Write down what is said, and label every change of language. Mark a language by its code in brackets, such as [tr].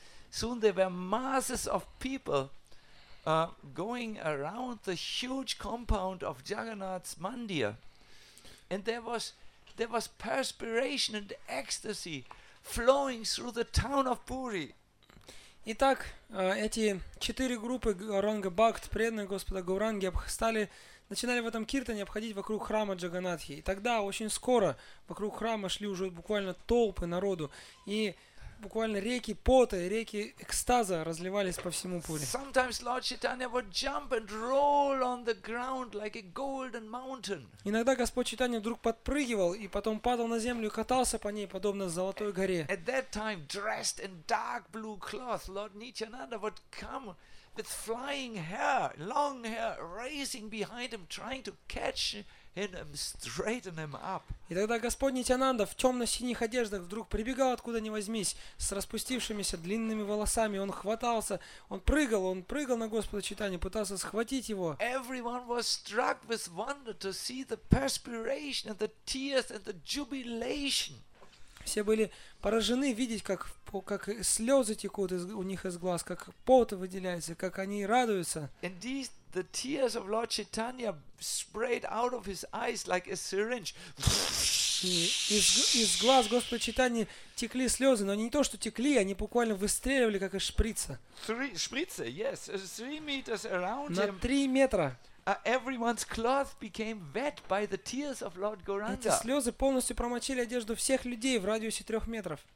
[en] Soon there were masses of people going around the huge compound of Jagannath's Mandir. And there was perspiration and ecstasy flowing through the town of Puri. [ru] Итак, эти четыре группы Гауранга Бхакт, преданные Господа Гауранги, начинали в этом киртане обходить вокруг храма Джаганатхи. И тогда, очень скоро, вокруг храма шли уже буквально толпы народу, и буквально реки пота, реки экстаза разливались по всему Пури. [en] Sometimes Lord Chaitanya would jump and roll on the ground like a golden mountain. [ru] Иногда Господь Чайтанья вдруг подпрыгивал и потом падал на землю и катался по ней, подобно золотой горе. [en] At that time, dressed in dark blue cloth, Lord Nityananda would come with flying hair, long hair, racing behind him, trying to catch and straighten him up. [ru] И тогда Господь Нитянанда в темно-синих одеждах вдруг прибегал откуда ни возьмись, с распустившимися длинными волосами. Он хватался, он прыгал на Господа Чайтанью, пытался схватить его. [en] Everyone was struck with wonder to see the perspiration and the tears and the jubilation. [ru] Все были поражены видеть, как слезы текут у них из глаз, как пот выделяется, как они радуются. [en] Indeed, the tears of Lord Chaitanya sprayed out of his eyes like a syringe. [ru] Из глаз Господа Чайтаньи текли слезы, но они не то, что текли, они буквально выстреливали, как из шприца. [en] Шприца, yes. 3 meters around [ru] him. На 3 метра. [en] Everyone's cloth became wet by the tears of Lord Gauranga. [ru] Эти слезы полностью промочили одежду всех людей в радиусе 3 метров.